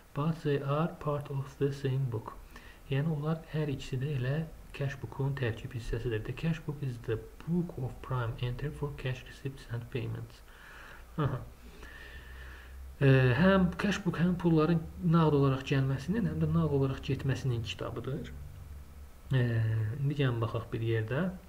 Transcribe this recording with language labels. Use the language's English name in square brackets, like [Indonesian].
[English] But they are part of the same book. [Azerbaijani] Yəni onlar hər ikisi də elə cashbook-un tərkib hissəsidir. [English] The cashbook is the book of prime entry for cash receipts and payments. Aha. [Azerbaijani] Həm cashbook həm pulların nağd olaraq gəlməsinin, həm də nağd olaraq getməsinin kitabıdır. İndi gəlin baxaq bir yerdə.